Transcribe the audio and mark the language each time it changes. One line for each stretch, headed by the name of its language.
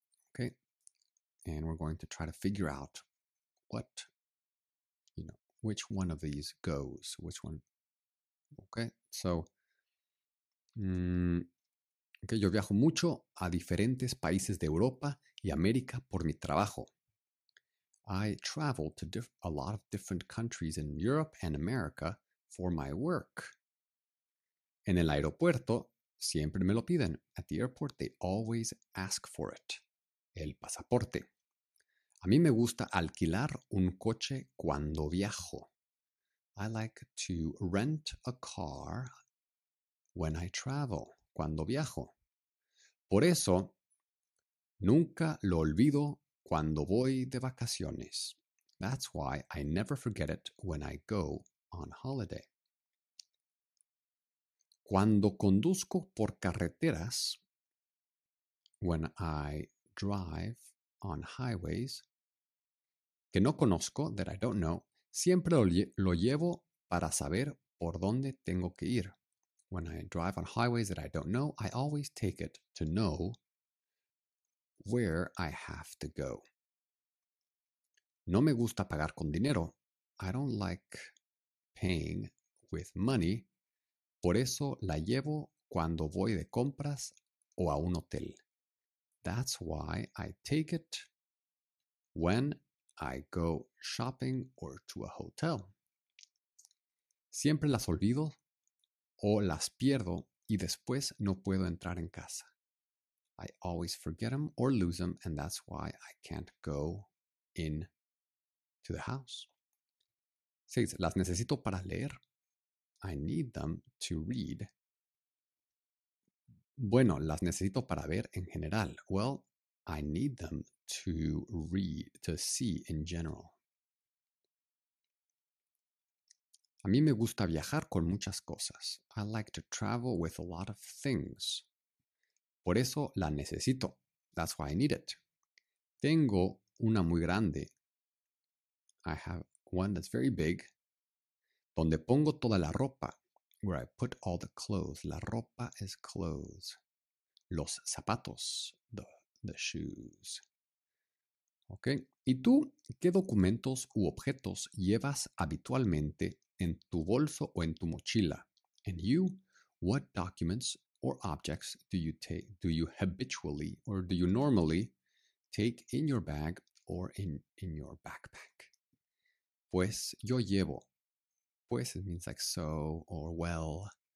English: Okay, and we're going to try to figure out what, you know, which one of these goes, which one.
Spanish: Okay, so, okay, yo viajo mucho a diferentes países de Europa y América por mi trabajo.
English: I travel to a lot of different countries in Europe and America for my work.
Spanish: En el aeropuerto, siempre me lo piden.
English: At the airport, they always ask for it.
Spanish: El pasaporte. A mí me gusta alquilar un coche cuando viajo.
English: I like to rent a car when I travel,
Spanish: cuando viajo. Por eso, nunca lo olvido cuando voy de vacaciones.
English: That's why I never forget it when I go on holiday.
Spanish: Cuando conduzco por carreteras,
English: when I drive on highways,
Spanish: que no conozco,
English: that I don't know,
Spanish: siempre lo llevo para saber por dónde tengo que ir.
English: When I drive on highways that I don't know, I always take it to know where I have to go.
Spanish: No me gusta pagar con dinero.
English: I don't like paying with money.
Spanish: Por eso la llevo cuando voy de compras o a un hotel.
English: That's why I take it when I go shopping or to a hotel.
Spanish: Siempre las olvido o las pierdo y después no puedo entrar en casa.
English: I always forget them or lose them, and that's why I can't go in to the house.
Spanish: 6. Las necesito para leer.
English: I need them to read.
Spanish: Bueno, las necesito para ver en general.
English: Well, I need them to read, to see in general.
Spanish: A mí me gusta viajar con muchas cosas.
English: I like to travel with a lot of things.
Spanish: Por eso la necesito.
English: That's why I need it.
Spanish: Tengo una muy grande.
English: I have one that's very big.
Spanish: Donde pongo toda la ropa.
English: Where I put all the clothes. La ropa is clothes.
Spanish: Los zapatos.
English: The shoes. Ok.
Spanish: ¿Y tú qué documentos u objetos llevas habitualmente en tu bolso o en tu mochila?
English: And you, what documents or objects do you normally take in your bag or in your backpack?
Spanish: Pues yo llevo.
English: Pues, it means like so or well.